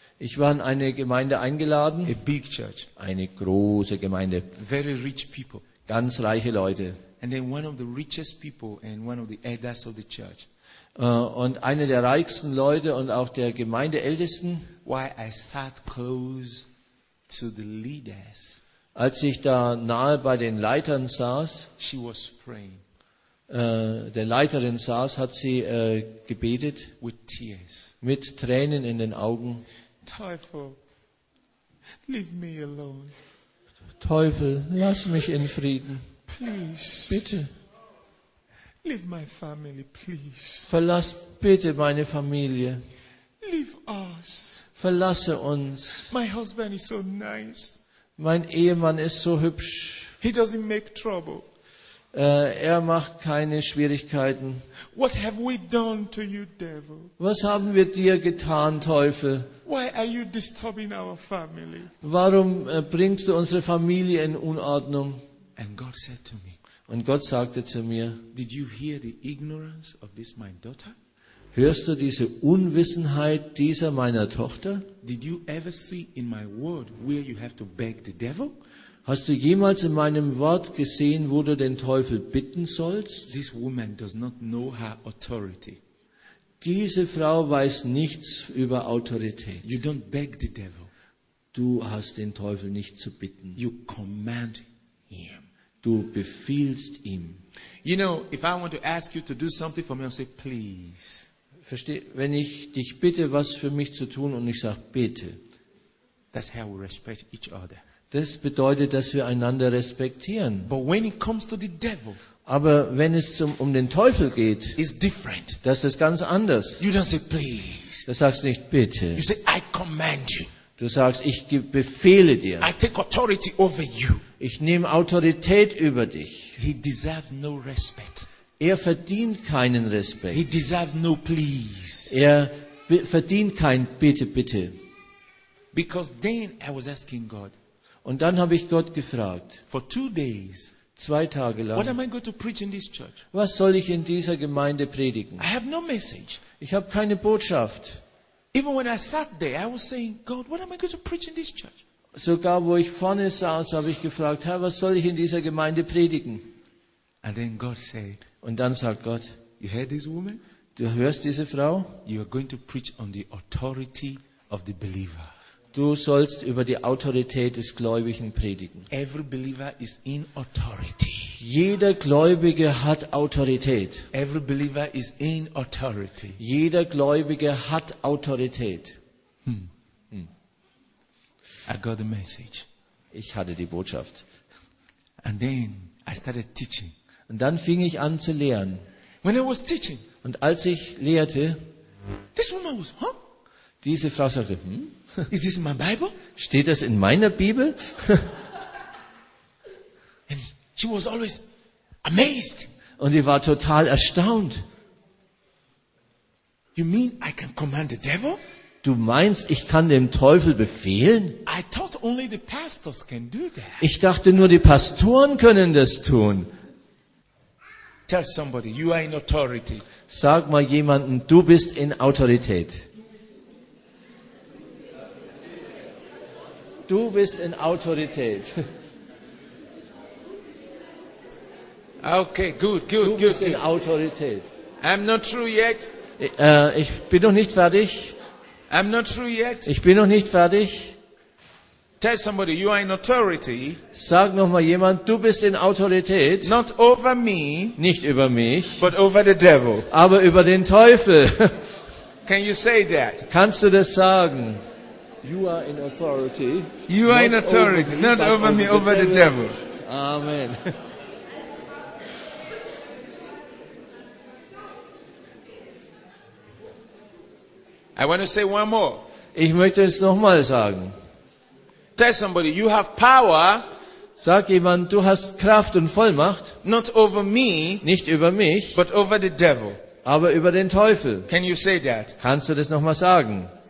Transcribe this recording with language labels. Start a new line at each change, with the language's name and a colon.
German: Ich war in eine Gemeinde eingeladen.
English: A big church.
German: Eine große Gemeinde.
English: Very rich people.
German: Ganz reiche Leute.
English: And then one of the richest people and one of the elders of the church.
German: Und einer der reichsten Leute und auch der Gemeindeältesten.
English: Why I sat close to the leaders.
German: Als ich da nahe bei den Leitern saß,
English: she was praying.
German: Der Leiterin saß, hat sie gebetet.
English: With tears.
German: Mit Tränen in den Augen.
English: Teufel, leave me alone.
German: Teufel, lass mich in Frieden.
English: Please.
German: Bitte.
English: Leave my family, please.
German: Verlass bitte meine Familie.
English: Leave us.
German: Verlasse uns.
English: My husband is so nice.
German: Mein Ehemann ist so hübsch.
English: He doesn't make trouble.
German: Er macht keine Schwierigkeiten.
English: What have we done to you, devil?
German: Was haben wir dir getan, Teufel?
English: Why are you disturbing our family?
German: Warum bringst du unsere Familie in Unordnung?
English: And God said to me,
German: und Gott sagte zu mir,
English: did you hear the ignorance of this, my daughter?
German: Hörst du diese Unwissenheit dieser meiner Tochter?
English: Did you ever see in my word where you have to beg the devil?
German: Hast du jemals in meinem Wort gesehen, wo du den Teufel bitten sollst?
English: This woman does not know her authority.
German: Diese Frau weiß nichts über Autorität.
English: You don't beg the devil.
German: Du hast den Teufel nicht zu bitten.
English: You command him.
German: Du befiehlst ihm.
English: You know, if I want to ask you to do something for me, I'll say, please.
German: Versteh, wenn ich dich bitte, was für mich zu tun, und ich sage, bitte.
English: That's how we respect each other.
German: Das bedeutet, dass wir einander respektieren.
English: But when it comes to the devil,
German: aber wenn es um den Teufel geht,
English: it's different.
German: Das ist ganz anders.
English: You don't say, please.
German: Du sagst nicht, bitte.
English: You say, I command you.
German: Du sagst, ich befehle dir.
English: I take authority over you.
German: Ich nehme Autorität über dich.
English: He deserves no respect.
German: Er verdient keinen Respekt.
English: He deserves no please.
German: Er verdient kein bitte, bitte.
English: Because then I was asking God,
German: und dann habe ich Gott gefragt,
English: for 2 days,
German: 2 Tage lang,
English: what am I going to preach in this church?
German: Was soll ich in dieser Gemeinde predigen?
English: I have no message.
German: Ich habe keine Botschaft.
English: Even when I sat there, I was saying, God, what am I going to preach in this church?
German: Sogar wo ich vorne saß, habe ich gefragt, Herr, was soll ich in dieser Gemeinde predigen?
English: And then God said,
German: und dann sagt Gott,
English: you heard this woman?
German: Du hörst diese Frau?
English: You are going to preach on the authority of the believer.
German: Du sollst über die Autorität des Gläubigen predigen.
English: Every believer is in authority.
German: Jeder Gläubige hat Autorität.
English: Every believer is in authority.
German: Jeder Gläubige hat Autorität.
English: I got the message.
German: ich hatte die Botschaft.
English: And then I started teaching.
German: Und dann fing ich an zu lehren.
English: When I was teaching,
German: und als ich lehrte,
English: this woman was, huh?
German: Diese Frau sagte, hm?
English: Is this in my Bible?
German: Steht das in meiner Bibel?
English: And she was always amazed.
German: Und sie war total erstaunt.
English: You mean I can command the devil?
German: Du meinst, ich kann dem Teufel befehlen?
English: I thought only the pastors can do that.
German: Ich dachte, nur die Pastoren können das tun.
English: Tell somebody, you are in authority.
German: Sag mal jemanden, du bist in Autorität. Du bist in Autorität.
English: Okay, good, good, good.
German: Du bist
English: good,
German: in
English: good.
German: Autorität.
English: I'm not true yet.
German: Ich bin noch nicht fertig.
English: I'm not true yet.
German: Ich bin noch nicht fertig.
English: Tell somebody, you are in authority.
German: Sag noch mal jemand, du bist in Autorität.
English: Not over me.
German: Nicht über mich.
English: But over the devil.
German: Aber über den Teufel.
English: Can you say that?
German: Kannst du das sagen?
English: You are in authority. You are in authority. Over me, not over me, over the devil. Amen. I want to say one more.
German: Ich möchte es noch mal sagen.
English: Tell somebody, you have power.
German: Sag jemand, du hast Kraft und Vollmacht.
English: Not over me.
German: Nicht über mich.
English: But over the devil.
German: Aber über den Teufel.
English: Can you say that?
German: Kannst du das noch mal sagen?